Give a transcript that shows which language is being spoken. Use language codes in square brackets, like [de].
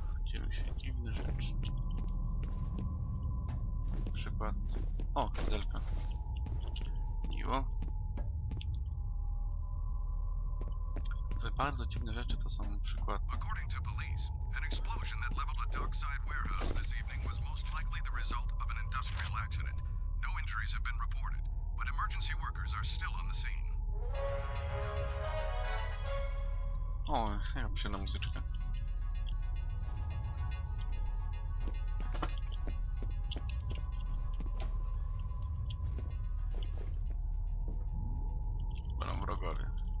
[pl] dzieją się dziwne rzeczy. Przykład. O, widelka. Miło. Te bardzo dziwne rzeczy to są przykład. [en] According to police, an explosion that leveled a dockside warehouse this evening was most likely the result of an industrial accident. No injuries have been reported, but emergency workers are still on the scene. [pl] O, ja przyjdę na muzyczkę. Będą wrogowie.